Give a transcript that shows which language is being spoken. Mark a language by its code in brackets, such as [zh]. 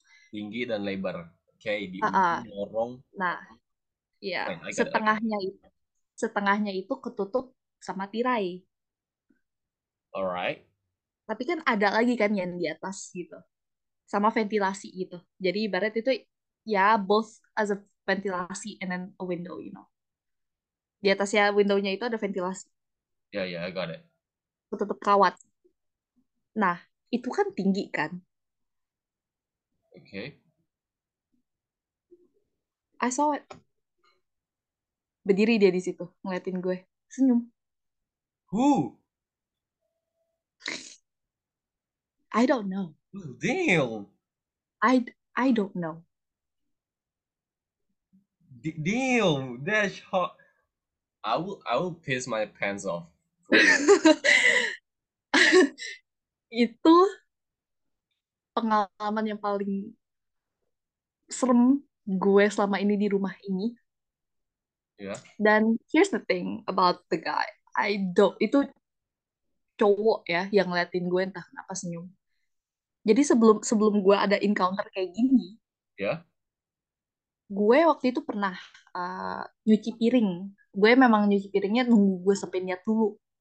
[id] Tinggi dan lebar. Oke, di Ah, ujung lorong. nah, ya, [en] Fine, I got it. [id] setengahnya itu ketutup sama tirai, [en] Alright. [id] tapi kan ada lagi kan yang di atas gitu, sama ventilasi gitu. Jadi ibarat itu ya [en] both as a ventilasi and then a window, you know. [id] Di atasnya windownya itu ada ventilasi. [en] Yeah, I got it. [id] Tetap kawat. Nah, itu kan tinggi kan? Oke. [en] I saw it. [id] Berdiri dia di situ, ngeliatin gue, senyum. [en] Who? I don't know. Damn. I don't know. Damn, that's hot. I will piss my pants off for real. [id] Itu pengalaman yang paling serem gue selama ini di rumah ini. Ya. [en] Dan here's the thing about the guy. [id] Itu cowok ya yang ngeliatin gue entah kenapa senyum. Jadi sebelum sebelum gue ada encounter kayak gini, Ya. gue waktu itu pernah nyuci piring. Gue memang nyuci piringnya nunggu gue sampai niat dulu.